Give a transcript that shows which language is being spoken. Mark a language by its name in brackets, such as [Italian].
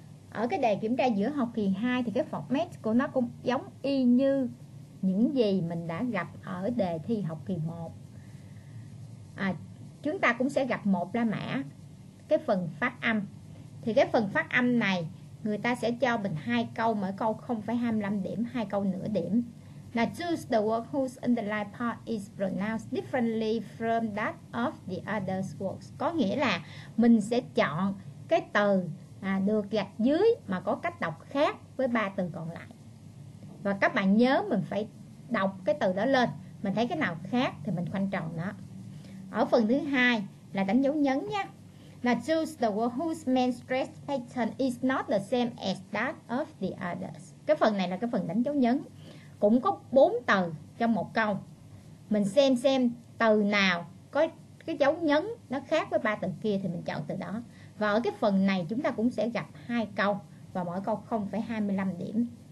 [Vietnamese] Ở cái đề kiểm tra giữa học kỳ 2 thì cái format của nó cũng giống y như những gì mình đã gặp ở đề thi học kỳ 1. Chúng ta cũng sẽ gặp một la mã, cái phần phát âm. Thì cái phần phát âm này, người ta sẽ cho mình hai câu, mỗi câu 0,25 điểm, hai câu nửa điểm. [English] Now choose the word whose underlying part is pronounced differently from that of the other words. [Vietnamese] Có nghĩa là mình sẽ chọn cái từ được gạch dưới mà có cách đọc khác với ba từ còn lại. Và các bạn nhớ mình phải đọc cái từ đó lên, mình thấy cái nào khác thì mình khoanh tròn nó. Ở phần thứ hai là đánh dấu nhấn nhé. Là [English] choose the word whose main stress pattern is not the same as that of the others. [Vietnamese] Cái phần này là cái phần đánh dấu nhấn. Cũng có 4 từ trong một câu. Mình xem từ nào có cái dấu nhấn nó khác với ba từ kia thì mình chọn từ đó. Và ở cái phần này chúng ta cũng sẽ gặp hai câu và mỗi câu 0,25 điểm.